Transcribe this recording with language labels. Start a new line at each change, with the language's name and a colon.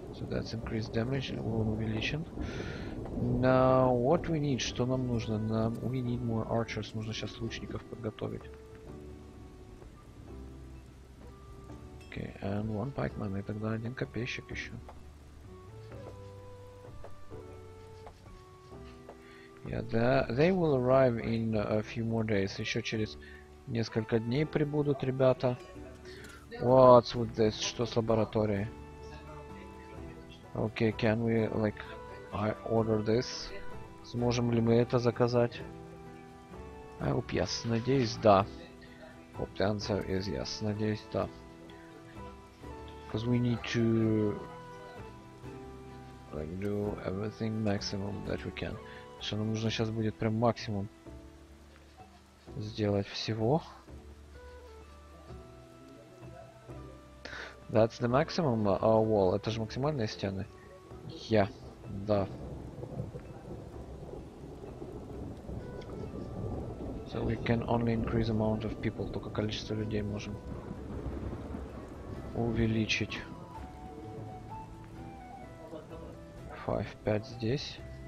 English: That's increased damage, wound увеличен. Now, what we need?
Russian: Что нам нужно?
English: Нам, we need more archers.
Russian: Нужно сейчас лучников подготовить.
English: Okay, and one pikeman.
Russian: И тогда один копейщик еще.
English: Yeah, the, they will arrive in a few more days.
Russian: Еще через несколько дней прибудут ребята.
English: What's with this?
Russian: Что с лабораторией?
English: Окей, can we, like, I order this?
Russian: Сможем ли мы это заказать?
English: I hope yes.
Russian: Надеюсь, да.
English: Hope the answer is yes. Надеюсь, да. Because we need to, like, do everything maximum that we can.
Russian: Что нам нужно сейчас будет прям максимум сделать всего.
English: That's the maximum wall.
Russian: Это же максимальные стены.
English: Yeah. Да. So we can only increase amount of people.
Russian: Только количество людей можем увеличить. 5 здесь.